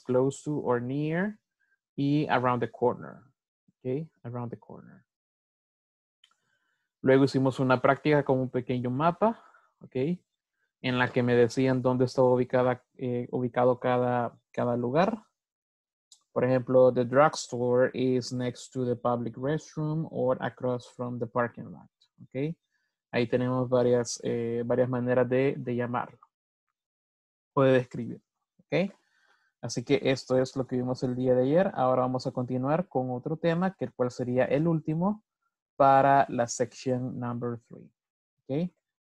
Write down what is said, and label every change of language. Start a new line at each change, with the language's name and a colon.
English: Close to or near. Y around the corner. Okay. Around the corner.
Spanish: Luego hicimos una práctica con un pequeño mapa. Okay. En la que me decían dónde estaba ubicada, ubicado cada lugar. Por ejemplo,
English: the drugstore is next to the public restroom or across from the parking lot. Okay.
Spanish: Ahí tenemos varias, varias maneras de llamarlo o de describir, ¿ok? Así que esto es lo que vimos el día de ayer. Ahora vamos a continuar con otro tema, que el cual sería el último para la
English: section number 3,
Spanish: ¿ok?